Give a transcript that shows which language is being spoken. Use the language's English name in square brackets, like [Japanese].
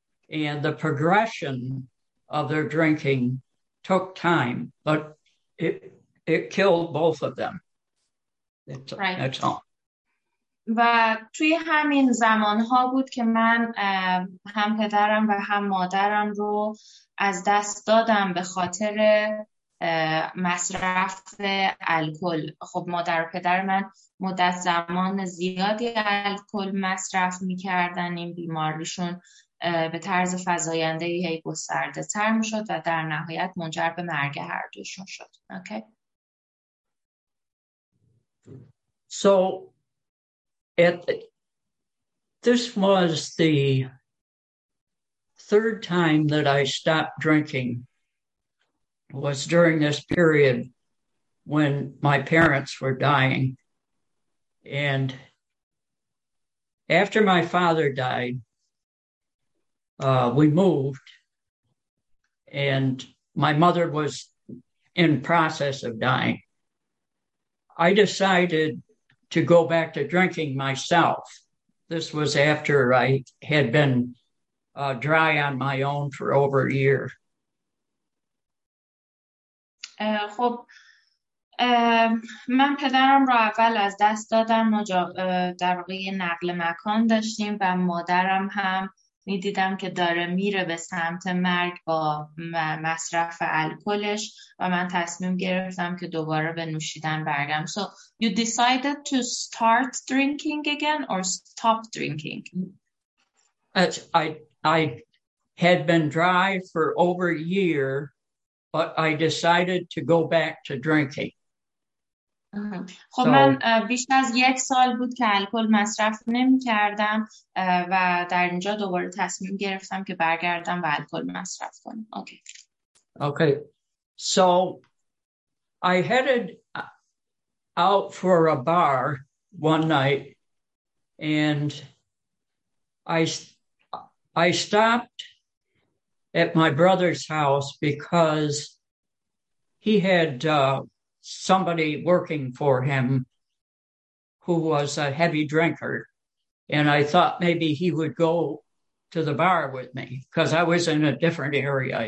[English] And the progression of their drinking took time, but it killed both of them. That's all. [Persian] و توی همین زمانها بود که من هم پدرم و هم مادرم رو از دست دادم به خاطر مصرف الکل. خب مادر و پدر من مدت زمان زیادی الکل مصرف می کردن، این بیماریشون به طرز فزاینده ای گسترده تر می شد و در نهایت منجر به مرگ هر دوشون شد. [English] Okay. So this was the third time that I stopped drinking was during this period when my parents were dying. And after my father died, we moved, and my mother was in process of dying. I decided to go back to drinking myself. This was after I had been dry on my own for over a year. [Persian] خب من پدرم رو اول از دست دادم، در واقع نقل مکان داشتیم و مادرم هم می دیدم که داره میره به سمت مرگ با مصرف الکلش و من تصمیم گرفتم که دوباره به نوشیدن برگردم. [English] So you decided to start drinking again or stop drinking? I had been dry for over a year, but I decided to go back to drinking. [Persian] خب [English] so, [Persian] من بیش از یک سال بود که الکل مصرف نمی کردم و در اینجا دوباره تصمیم گرفتم که برگردم و الکل مصرف کنم. [English] Okay. So I headed out for a bar one night and I stopped at my brother's house because he had somebody working for him who was a heavy drinker, and I thought maybe he would go to the bar with me because I was in a different area.